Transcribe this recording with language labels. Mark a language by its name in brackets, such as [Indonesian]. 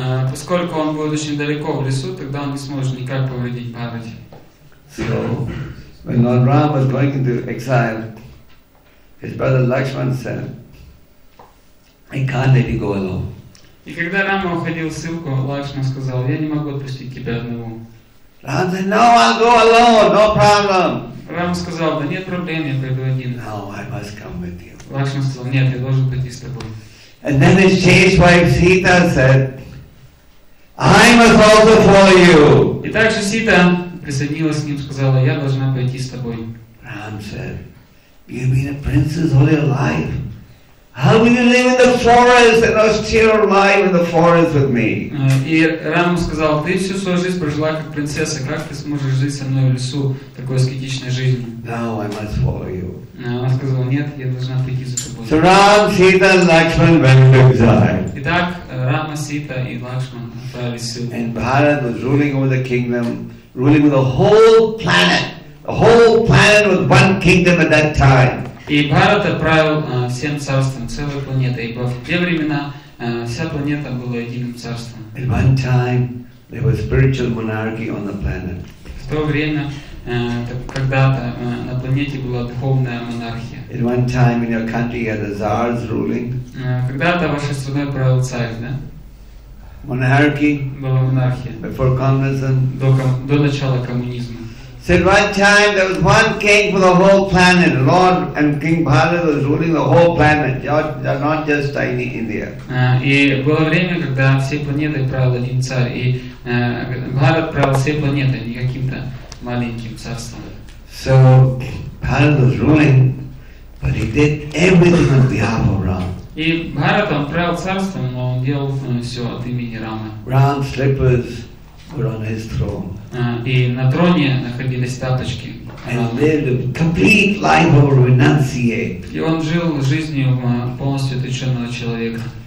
[Russian] Поскольку он будет очень далеко в лесу, тогда он не сможет никак повредить Бхарате. [English] So, when Lord Ram was going into exile, his brother Lakshman said, "I can't let you go alone." [Russian] И когда Рама уходил в ссылку, Лакшман сказал, "Я не могу отпустить тебя одного." [English] Ram said, "No, I'll go alone. No problem." [Russian] Рама сказал, "Да нет проблем, я пойду один." [English] No, I must come with you. [Russian] Лакшман сказал, "Нет, я должен пойти с тобой." [English] And then his chaste wife Sita said, "I must also follow you." [Russian] И также Сита присоединилась к ним, сказала, я должна пойти с тобой. [English] Ram said, you've been a princess all your life. How will you live in the forest and austere life in the forest with me? [Russian] И Рама сказал, ты всю свою жизнь прожила как принцесса, как ты сможешь жить со мной в лесу, такой аскетичной жизнью? [English] Now I must follow you. [Russian] Она сказала, нет, я должна пойти за тобой. [English] So Ram, Sita and Lakshman went to exile. [Russian] Итак, Рама, Сита и Лакшман отправились в ссылку. [English] And Bharat was ruling over the kingdom, ruling with the whole planet with one kingdom at that time. [Russian] И Бхарата правил всем царством, целой планетой. И в те времена вся планета была единым царством. [English] At one time there was spiritual monarchy on the planet. [Russian] В то время когда-то на планете была духовная монархия. [English] At one time in your country you had the czars ruling. [Russian] Когда-то вашей страной правил царь, да? [English] Monarchy. [Russian] Была монархия. [English] Before communism. [Russian] До начала коммунизма. [English] So at one time there was one king for the whole planet. Lord and King Bharat was ruling the whole planet, not just tiny India. [Russian] И было время, когда все планеты правил один царь, и Бхарат правил всей планетой, не каким-то маленьким царством. [English] So Bharat was ruling, but he did everything on behalf of Ram. [Russian] И Бхарат он правил царством, но он делал все от имени Рамы. [English] Ram's slippers were on his throne. [Russian] И на троне находились тапочки. [English] And lived a complete life of a renunciate. [Russian] И он жил жизнью полностью отреченного человека.